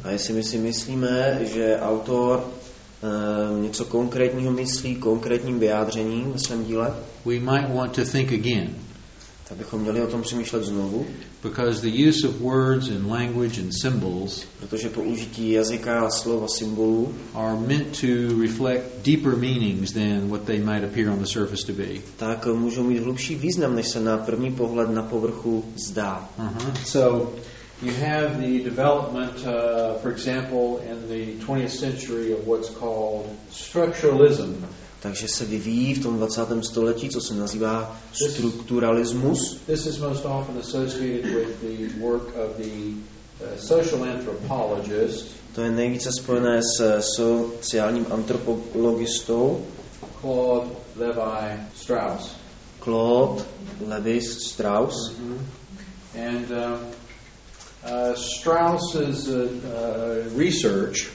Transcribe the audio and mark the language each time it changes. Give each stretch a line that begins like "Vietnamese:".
Czech: a jestli my si myslíme, že autor něco konkrétního myslí konkrétním vyjádřením ve svém díle,
English: we might want to think again.
Czech: Tak bychom měli o tom přemýšlet znovu.
English: Because the use of words and language and symbols,
Czech: protože použití jazyka, slov a symbolů,
English: are meant to reflect deeper meanings than what they might appear on the surface to be.
Czech: Tak můžou mít hlubší význam, než se na první pohled na povrchu zdá.
English: So you have the development, for example, in the 20th century of what's called structuralism.
Czech: Takže se vyvíjí v tom 20. století, co se nazývá strukturalismus.
English: This is most often associated with the work of the social anthropologist.
Czech: To je nejvíce spojené s sociálním antropologistou
English: Claude Lévi-Strauss.
Czech: Claude Lévi-Strauss.
English: And Strauss's research,